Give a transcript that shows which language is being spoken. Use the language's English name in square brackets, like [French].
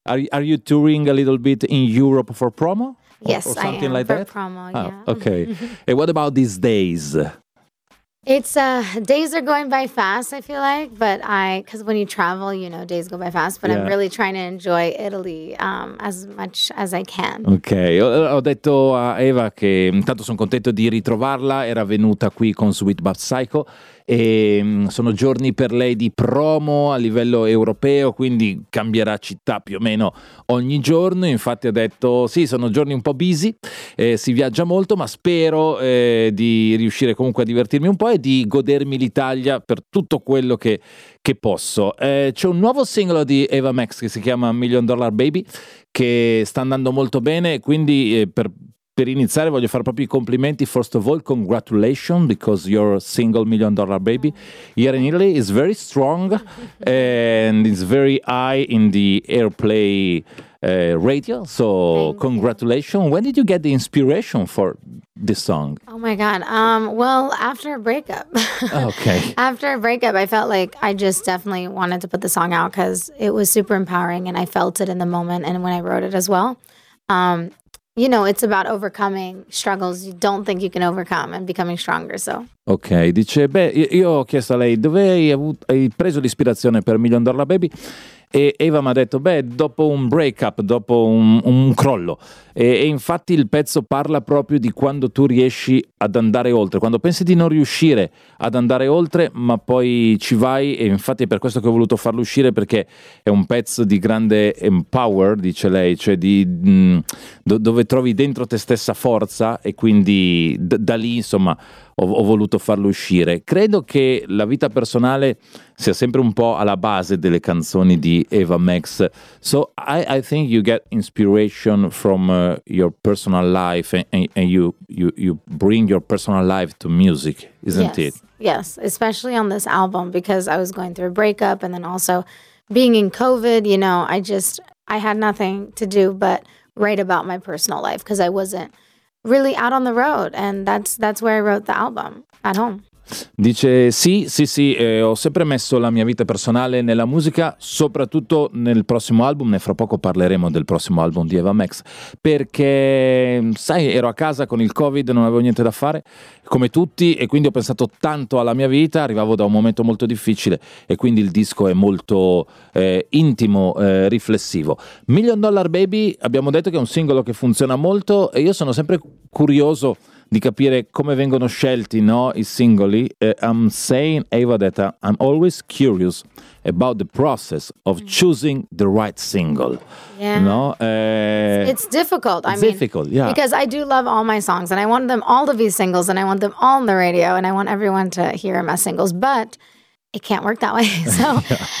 [English] Are you touring a little bit in Europe for promo? Yes, or something I am like for that? Promo. Yeah. Okay. And what about these days? It's days are going by fast, I feel like, but because when you travel, you know, days go by fast, but yeah. I'm really trying to enjoy Italy as much as I can. [Italian] Ok, ho detto a Ava che intanto sono contento di ritrovarla, era venuta qui con Sweet Bath Psycho e sono giorni per lei di promo a livello europeo, quindi cambierà città più o meno ogni giorno. Infatti ha detto sì, sono giorni un po' busy, si viaggia molto, ma spero di riuscire comunque a divertirmi un po' e di godermi l'Italia per tutto quello che posso. C'è un nuovo singolo di Ava Max che si chiama Million Dollar Baby, che sta andando molto bene, quindi per iniziare voglio fare proprio i complimenti. [English] First of all, congratulations, because your single Million Dollar Baby here in Italy is very strong and is very high in the airplay radio, so congratulations. When did you get the inspiration for this song? Oh my god, well, after a breakup. Okay. After a breakup, I felt like I just definitely wanted to put the song out because it was super empowering and I felt it in the moment and when I wrote it as well. You know, it's about overcoming struggles you don't think you can overcome and becoming stronger, so. [Italian] Ok, dice, io ho chiesto a lei, dove hai preso l'ispirazione per Million Dollar Baby? E Ava mi ha detto, dopo un breakup, dopo un crollo. E infatti il pezzo parla proprio di quando tu riesci ad andare oltre, quando pensi di non riuscire ad andare oltre, ma poi ci vai. E infatti è per questo che ho voluto farlo uscire, perché è un pezzo di grande empower, dice lei, cioè di dove trovi dentro te stessa forza, e quindi da lì, insomma, ho voluto farlo uscire. Credo che la vita personale sia sempre un po' alla base delle canzoni di Ava Max. [English] So I think you get inspiration from your personal life and you bring your personal life to music, isn't yes. it? Yes, especially on this album, because I was going through a breakup and then also being in COVID, you know, I had nothing to do but write about my personal life because I wasn't really out on the road, and that's where I wrote the album, at home. [Italian] Dice sì, ho sempre messo la mia vita personale nella musica, soprattutto nel prossimo album, ne fra poco parleremo del prossimo album di Ava Max, perché sai, ero a casa con il COVID, non avevo niente da fare, come tutti, e quindi ho pensato tanto alla mia vita, arrivavo da un momento molto difficile, e quindi il disco è molto intimo, riflessivo. Million Dollar Baby, abbiamo detto che è un singolo che funziona molto, e io sono sempre curioso di capire come vengono scelti, no, i singoli. [English] I'm saying, Ava, that I'm always curious about the process of choosing the right single. Yeah. No? It's difficult. It's difficult, yeah. Because I do love all my songs and I want them all to be singles and I want them all on the radio and I want everyone to hear them as singles, but it can't work that way. So, yeah.